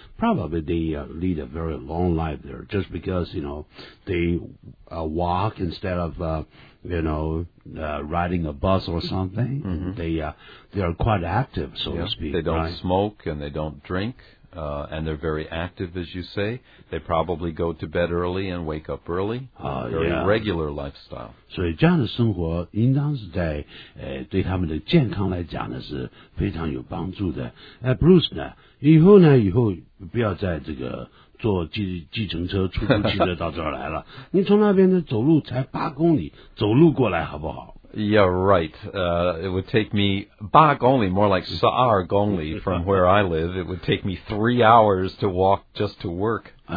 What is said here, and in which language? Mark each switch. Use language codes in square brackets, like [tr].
[en] Probably they lead a very long life there, just because, you know, they walk instead of riding a bus or something. Mm-hmm. They are quite active, so to speak. They don't right? smoke and they don't drink. And they're very active, as you say. They probably go to bed early and wake up early. Regular lifestyle. [zh] 所以这样的生活应当是在对他们的健康来讲呢是非常有帮助的。Bruce呢,以后呢,以后不要再这个坐计程车出租汽车到这儿来了。你从那边的走路才八公里,走路过来好不好? [en] Yeah, right. It would take me [zh] 八公里, [en] more like [zh] 十二公里 [en] from where I live. It would take me 3 hours to walk just to work.